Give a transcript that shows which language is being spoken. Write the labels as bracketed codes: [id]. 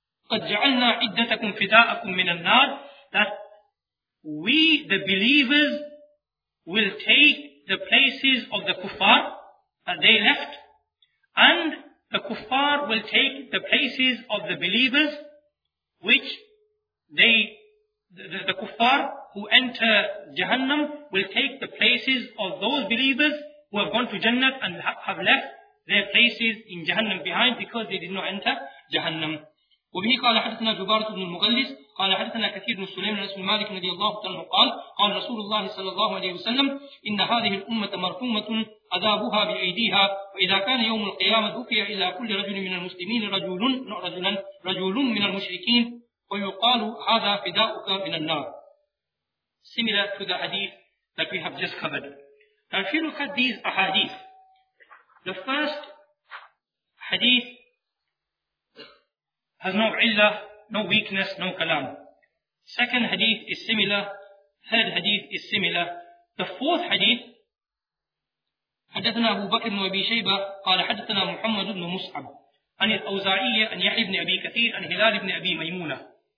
[ar] قَدْ جَعَلْنَا عِدَّتَكُمْ فِدَاءَكُمْ مِنَ النَّارِ, [en] that we, the believers, will take the places of the kuffar that they left, and the kuffar will take the places of the believers, which they, the kuffar who enter Jahannam, will take the places of those believers who have gone to Jannah and have left their places in Jahannam behind because they did not enter Jahannam. [ar] وبه قال حدثنا جبارة بن المغلس قال حدثنا كثير بن سليم عن رسول مالك رضي الله عنه قال قال رسول الله صلى الله عليه وسلم إن هذه الأمة مرحومة عذابها بأيديها وإذا كان يوم القيامة دفي إلى كل رجل من المسلمين رجل رجلا رجل من المشركين ويقال هذا فداؤك من النار. [en] Similar to the hadith that we have just covered. Now if you look at these ahadith, the first hadith has no illah, no weakness, no kalam. Second hadith is similar. Third hadith is similar. The fourth hadith, [ar] حدثنا أبو بكر بن أبي شيبة قال حدثنا محمد بن مصعب عن الأوزاعية عن يحيى بن أبي كثير عن هلال بن أبي ميمونة.